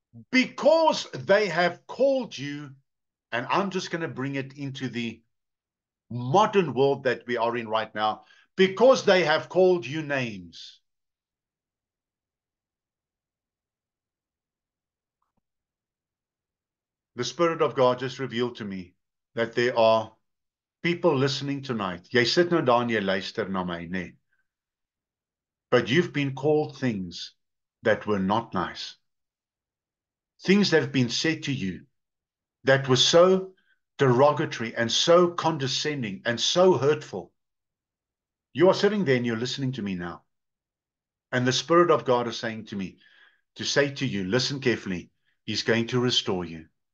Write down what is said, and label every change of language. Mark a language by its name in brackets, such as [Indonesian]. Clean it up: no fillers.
[English] Because they have called you, and I'm just going to bring it into the modern world that we are in right now, because they have called you names. The Spirit of God just revealed to me that there are people listening tonight. [Afrikaans] Jy sit nou daar en jy luister na my, nee. [English] But you've been called things that were not nice. Things that have been said to you that were so derogatory and so condescending and so hurtful. You are sitting there and you're listening to me now. And the Spirit of God is saying to me, to say to you, listen carefully, He's going to restore you.